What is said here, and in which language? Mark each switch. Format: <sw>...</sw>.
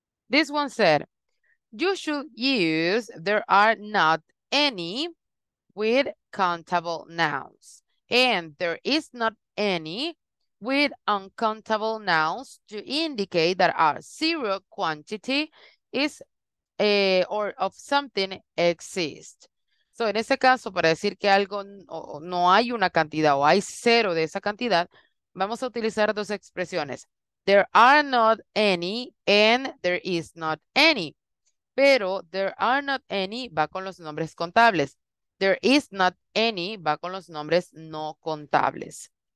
<en>This one said, you should use there are not any with countable nouns. And there is not any with uncountable nouns to indicate that a zero quantity is or of something exists.</en> <es>So en este caso, para decir que algo no hay una cantidad o hay cero de esa cantidad, vamos a utilizar dos expresiones.</es> <en>There are not any and there is not any.</en> <es>Pero there are not any va con los nombres contables. There is not any va con los nombres no contables.</es>